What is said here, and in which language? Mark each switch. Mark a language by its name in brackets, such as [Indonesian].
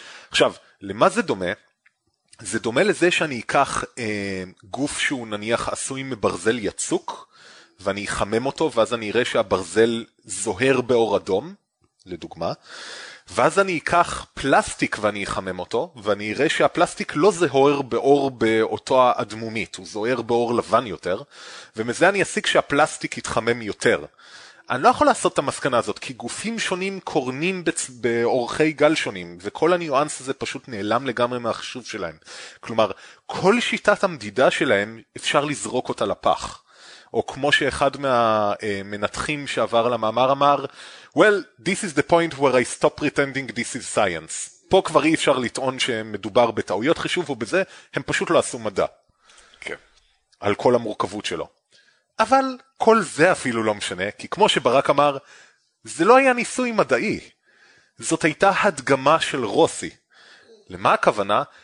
[Hebrew] עכשיו, למה זה דומה? זה דומה לזה שאני אקח גוף שהוא נניח עשוי מברזל יצוק, ואני אחמם אותו, ואז אני אראה שהברזל זוהר באור אדום, לדוגמה, ואז אני אקח פלסטיק ואני אחמם אותו, ואני אראה שהפלסטיק לא זוהר באור באותו האדמומית, הוא זוהר באור לבן יותר, ומזה אני אסיק שהפלסטיק יתחמם יותר. אני לא יכול לעשות את המסקנה הזאת, כי גופים שונים קורנים באורכי גל שונים, וכל הניואנס הזה פשוט נעלם לגמרי מהחשוב שלהם. כלומר, כל שיטת המדידה שלהם אפשר לזרוק אותה לפח. או כמו שאחד מהמנתחים שעבר למאמר אמר, [English] well, this is the point where I stop pretending this is science. [Hebrew] פה כבר אי אפשר לטעון שמדובר בטעויות חישוב, ובזה הם פשוט לא עשו מדע. כן. על כל המורכבות שלו. אבל כל זה אפילו לא משנה, כי כמו שברק אמר, זה לא היה ניסוי מדעי. זאת הייתה הדגמה של רוסי. למה הכוונה?